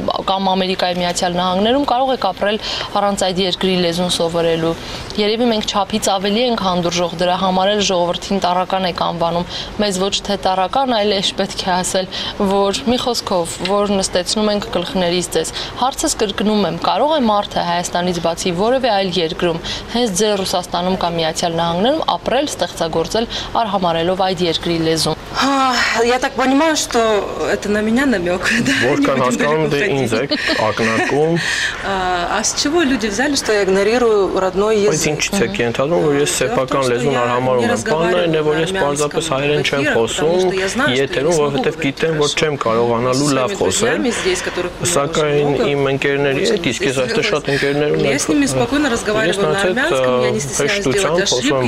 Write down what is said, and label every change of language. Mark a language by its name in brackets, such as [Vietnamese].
[Armenian] կամ Ամերիկայի Միացյալ Նահանգներում կարող եք ապրել առանց այդ երկրի լեզուն սովորելու։ Երևի մենք չափից ավելի ենք հանդուրժող դրա համար, էլ ժողովրդին տարական եք անվանում։ Մեզ ոչ թե տարական, այլ էլ պետք է ասել, որ մի խոսքով, որ նստեցնում ենք գլխներից ձեզ։ Հարցս կրկնում եմ, կարող է մարդը Հայաստանից բացի որևէ այլ երկրում հենց ձեր Ռուսաստանում կամ Միացյալ Նահանգներում ապրել, ստեղծագործել արհամարելով այդ երկրի լեզուն։ [Russian] Я так понимаю, что это на меня намёк, да? [Armenian] Որքան հասկանում դե ինձ եք ակնարկում։ [Russian] А с чего люди взяли, что я игнорирую родной язык? [Armenian] Ոչինչ չէք ենթադրում, որ ես սեփական լեզուն արհամարում եմ։ Բանն այն է, որ ես պարզապես հայերեն չեմ խոսում, եթերում, որովհետև գիտեմ, որ չեմ կարողանալու լավ խոսել։ Սակայն իմ ընկերների հետ, իսկ ես այստեղ շատ ընկերներ ունեմ, ես ինձ [Russian] спокойно разговариваю на армянском, я не стесняюсь делать ошибки,